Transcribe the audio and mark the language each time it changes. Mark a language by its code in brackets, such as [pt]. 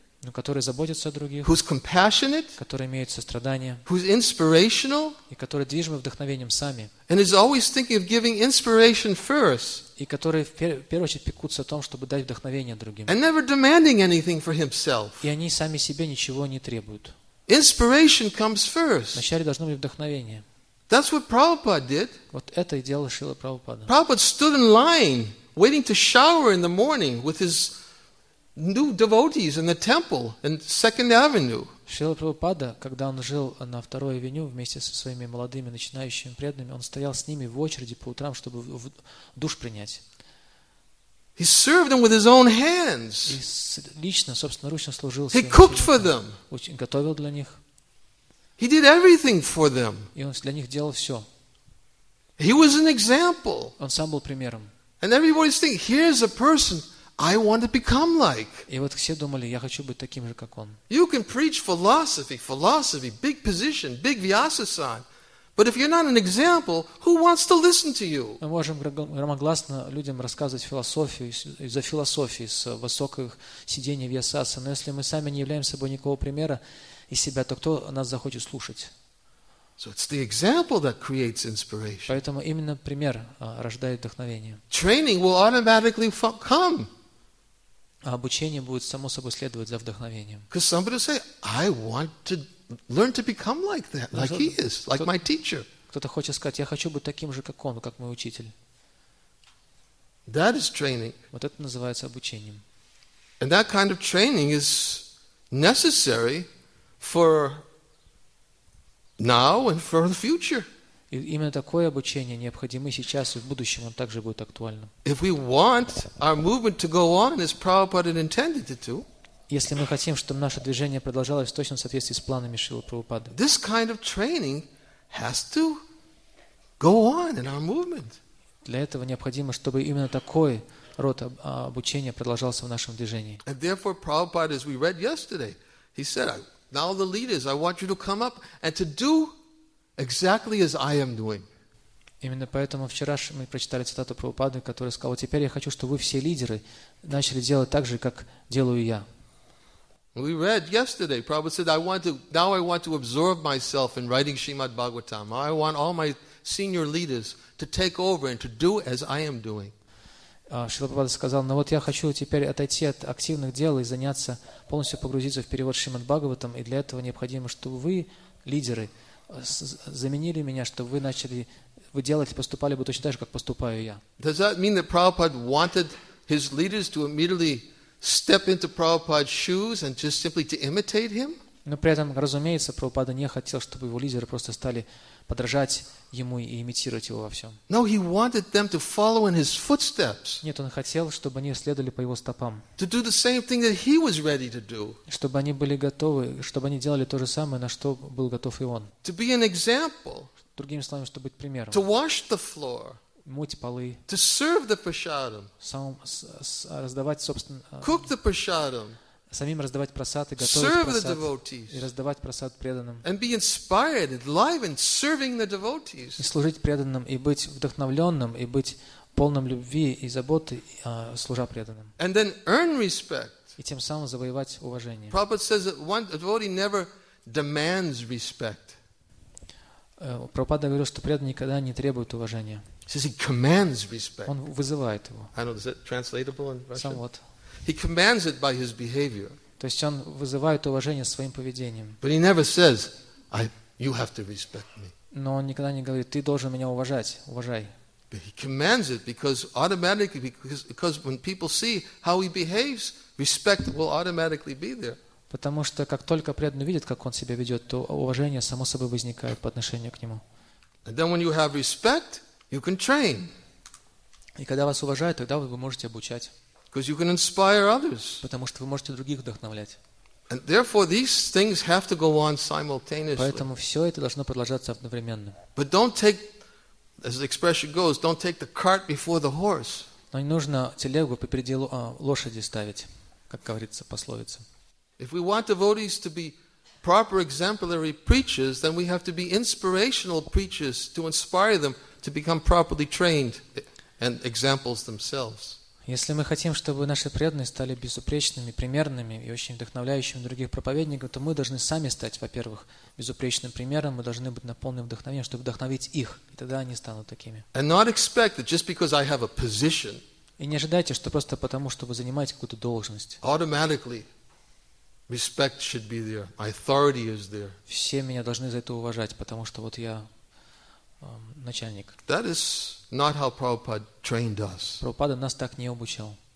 [ru] но которые заботятся о других, [en] who's compassionate, [ru] которые имеют сострадание, [en] who's inspirational, [ru] и которые движимы вдохновением сами, [en] and is always thinking of giving inspiration first, [ru] и которые в первую очередь пекутся о том, чтобы дать вдохновение другим, [en] and never demanding anything for himself. [ru] И они сами себе ничего не требуют. [en] Inspiration comes first. [ru] Вначале должно быть вдохновение. [en] That's what Prabhupada did. [ru] Вот это и делал Шрила Прабхупада. [en] Prabhupada stood in line, waiting to shower in the morning with his new devotees in the temple in Second Avenue. [ru] Шрила Прабхупада, когда он жил на Второй Авеню вместе со своими молодыми начинающими преданными, он стоял с ними в очереди по утрам, чтобы душ принять. [en] He served them with his own hands. [ru] И лично, собственноручно служил. [en] He cooked for them. [ru] Готовил для них. [en] He did everything for them. [ru] И он для них делал все. [en] He was an example. [ru] Он сам был примером. [en] And everybody's thinking, here's a person I want to become like. [ru] И вот все думали, я хочу быть таким же, как он. [en] You can preach philosophy, big position, big vyasa-san, but if you're not an example, who wants to listen to you? [ru] Мы можем громогласно людям рассказывать философию из-за философии с высоких сидений вьясаса, но если мы сами не являем собой никакого примера из себя, то кто нас захочет слушать? [en] So it's the example that creates inspiration. [ru] Поэтому именно пример рождает вдохновение. [en] Training will automatically come. [ru] А обучение будет само собой следовать за вдохновением. [en] Because somebody will say, I want to learn to become like that, like he is, like my teacher. [ru] Кто-то хочет сказать, я хочу быть таким же, как он, как мой учитель. [en] That is training. [ru] Вот это называется обучением. [en] And that kind of training is necessary for now and for the future. [ru] И именно такое обучение необходимо сейчас и в будущем, оно также будет актуально. [en] If we want our movement to go on as Prabhupada intended it to, [ru] если мы хотим, чтобы наше движение продолжалось в точном соответствии с планами Шрилы Прабхупады, [en] this kind of training has to go on in our movement. [ru] Для этого необходимо, чтобы именно такой род обучения продолжался в нашем движении. [en] And therefore, Prabhupada, as we read yesterday, he said, now the leaders, I want you to come up and to do exactly as I am doing. [ru] Именно поэтому вчера мы прочитали цитату Прабхупады, который сказал: теперь я хочу, чтобы вы все лидеры начали делать так же, как делаю я. [en] We read yesterday. Prabhupada said, I want to absorb myself in writing Srimad Bhagavatam. I want all my senior leaders to take over and to do as I am doing. [ru] Шрила Прабхупада сказал, ну вот я хочу теперь отойти от активных дел и заняться, полностью погрузиться в перевод Шримад Бхагаватам, и для этого необходимо, чтобы вы, лидеры, заменили меня, чтобы вы начали, вы делать, поступали бы точно так же, как поступаю я. [en] Does that mean that Prabhupada wanted his leaders to immediately step into Prabhupada's shoes and just simply to imitate him? [ru] Но при этом, разумеется, Прабхупада не хотел, чтобы его лидеры просто стали подражать ему и имитировать его во всем. [en] No, he wanted them to follow in his footsteps. [ru] Нет, он хотел, чтобы они следовали по его стопам. [en] To do the same thing that he was ready to do. [ru] Чтобы они были готовы, чтобы они делали то же самое, на что был готов и он. [en] To be an example. [ru] Другими словами, чтобы быть примером. [en] To wash the floor. [ru] Мыть полы. [en] To serve the prasadam. [ru] Сам раздавать собственно. [en] Cook the prasadam. [ru] Самим раздавать просад и готовить просад, и раздавать просад преданным. [en] And be inspired, enlivened, serving the devotees. [ru] И служить преданным, и быть вдохновленным, и быть полным любви и заботы, служа преданным. [en] And then earn respect. [ru] И тем самым завоевать уважение. [en] Prabhupada says that one devotee never demands respect. [ru] Прабхупада говорил, что преданный никогда не требует уважения. [en] He says he commands respect. [ru] Он вызывает его. [en] I know, is that translatable in Russian? Somewhat. He commands it by his behavior. [ru] То есть он вызывает уважение своим поведением. [en] But he never says, you have to respect me. [ru] Но он никогда не говорит, ты должен меня уважать, уважай. [en] But he commands it because automatically, because when people see how he behaves, respect will automatically be there. [ru] Потому что как только преданный видит, как он себя ведет, то уважение само собой возникает по отношению к нему. [en] And then when you have respect, you can train. [ru] И когда вас уважают, тогда вы можете обучать. [en] Because you can inspire others. [ru] Потому что вы можете других вдохновлять. [en] And therefore these things have to go on simultaneously. [ru] Поэтому все это должно продолжаться одновременно. [en] But don't take, as the expression goes, don't take the cart before the horse. [ru] Но не нужно телегу попереди лошади ставить, как говорится пословица. [en] If we want devotees to be proper exemplary preachers, then we have to be inspirational preachers to inspire them to become properly trained and examples themselves. [ru] Если мы хотим, чтобы наши преданные стали безупречными, примерными и очень вдохновляющими других проповедников, то мы должны сами стать, во-первых, безупречным примером, мы должны быть наполнены вдохновением, чтобы вдохновить их, и тогда они станут такими. [en] And not expect that just because I have a position, [ru] и не ожидайте, что просто потому, что вы занимаете какую-то должность, [en] automatically respect should be there. My authority is there. [ru] Все меня должны за это уважать, потому что вот я... начальник. [en] That is not how Prabhupada trained us. [ru] Прабхупада нас так не обучал.